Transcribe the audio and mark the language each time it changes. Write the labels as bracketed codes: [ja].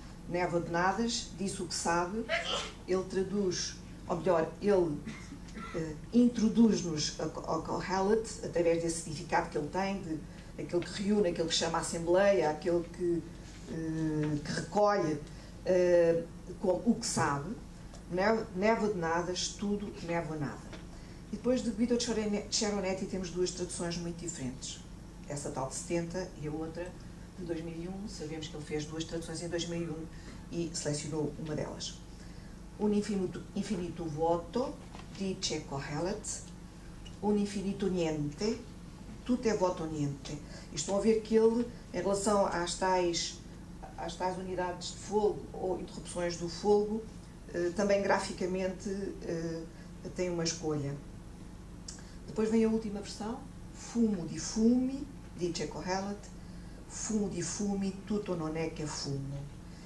[pt] Névoa de nadas, disse o que sabe, ele traduz, ou melhor, ele introduz-nos ao Qohelet, através desse significado que ele tem, de aquele que reúne, aquele que chama a assembleia, aquele que recolhe, com o que sabe, névoa de nadas, tudo, névoa nada. E depois de Guido Ceronetti temos duas traduções muito diferentes, essa tal de 70 e a outra de 2001. Sabemos que ele fez duas traduções em 2001 e selecionou uma delas. [it] Un infinito, infinito vuoto, dice Kohelet, un infinito niente, tutto è vuoto niente. [pt] E estão a ver que ele, em relação às tais unidades de fogo ou interrupções do fogo, também graficamente tem uma escolha. Depois vem a última versão, [it] fumo di fumi, dice Kohelet, fumo di fumi, tutto non è che fumo.